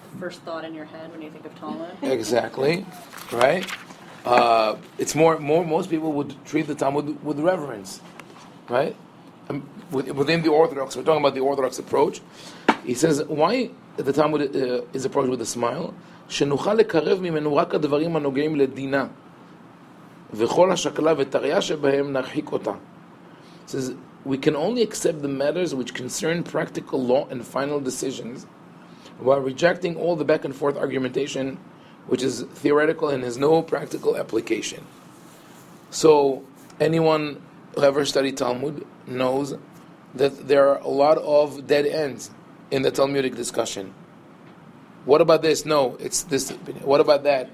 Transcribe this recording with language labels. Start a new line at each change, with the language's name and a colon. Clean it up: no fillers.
English: first thought in your head when you think of Talmud. Exactly, right? It's more. Most people would treat the Talmud with reverence, right? Within the Orthodox, we're talking about the Orthodox approach. He says, why the Talmud is approached with a smile?
Hebrew: שנוכל לקרב ממנו רק הדברים הנוגעים לדינה וכל השקלה ותריה שבהם נרחיק אותה.
English: It says, we can only accept the matters which concern practical law and final decisions while rejecting all the back and forth argumentation which is theoretical and has no practical application. So anyone who ever studied Talmud knows that there are a lot of dead ends in the Talmudic discussion. What about this? No, it's this. What about that?